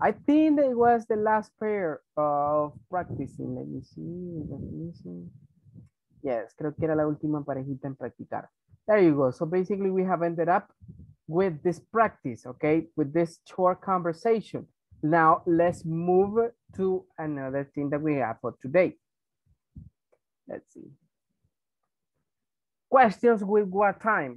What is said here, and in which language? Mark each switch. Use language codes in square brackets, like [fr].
[en] I think it was the last pair of practicing. Let me see. [es] Yes, creo que era la última parejita en practicar. [en] There you go. So basically we have ended up with this practice, okay? With this short conversation. Now let's move to another thing that we have for today. Let's see. Questions with what time?